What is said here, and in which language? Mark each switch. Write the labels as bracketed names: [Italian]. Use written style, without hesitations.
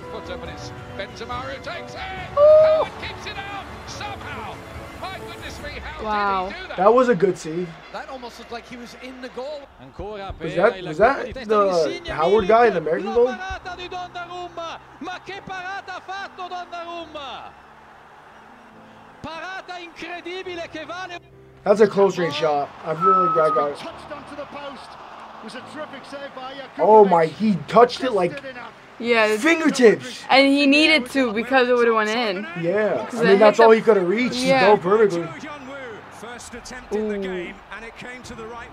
[English] Toronto, but it's Benzema who takes it. Oh, and keeps it out somehow. My goodness me, how did he do that? That was a good save. That almost looked like he was in the goal. And caught up. Was that the Howard guy, the American goal? [Italian] La parata di Donnarumma. Ma che parata ha fatto Donnarumma? Parata incredibile che vale. [English] That's a close range shot. I really got touched onto the post. It was a terrific save by he touched it like fingertips. And he needed to because it would have went in. Yeah. I mean, that's all he could have reached. Yeah. He fell perfectly. First attempt in the game, and it came to the right.